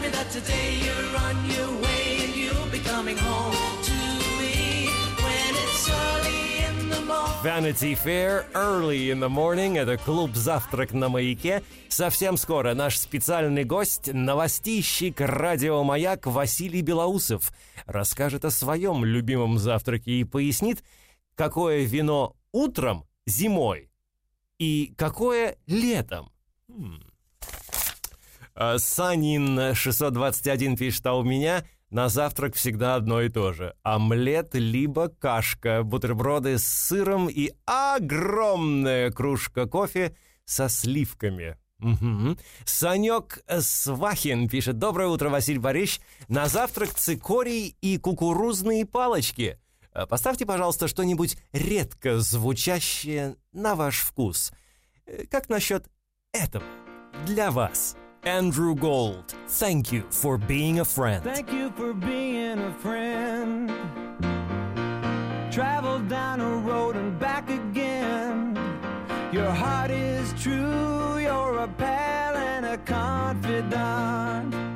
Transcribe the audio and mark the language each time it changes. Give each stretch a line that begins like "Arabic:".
English: Today you're on your way and you'll be coming home to me when it's early in the morning. Vanity Fair, early in the morning.
Russian: Это клуб «Завтрак на маяке». Совсем скоро наш специальный гость, новостищик «Радиомаяк» Василий Белоусов, расскажет о своем любимом завтраке и пояснит, какое вино утром зимой и какое летом. Санин 621 пишет, а у меня на завтрак всегда одно и то же. Омлет либо кашка, бутерброды с сыром и огромная кружка кофе со сливками. Угу. Санек Свахин пишет, доброе утро, Василий Борисович. На завтрак цикорий и кукурузные палочки. Поставьте, пожалуйста, что-нибудь редко звучащее на ваш вкус. Как насчет этого для вас?
English: Andrew Gold, thank you for being a friend. Thank you for being a friend. Travel down a road and back again. Your heart is true, you're a pal and a confidant.